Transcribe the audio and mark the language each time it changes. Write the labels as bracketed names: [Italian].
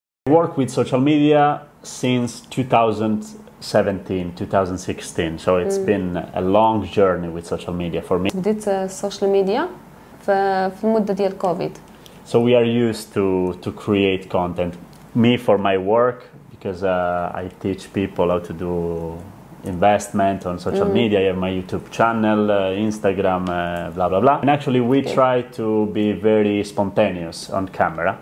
[English] Work with social media since 2017 2016, so it's been a long journey with social media for me. [Arabic] بديت social media في المده ديال كوفيد. [English] So we are used to create content, me for my work because I teach people how to do investment on social media. I have my YouTube channel, Instagram, blah, blah, blah. And actually we try to be very spontaneous on camera.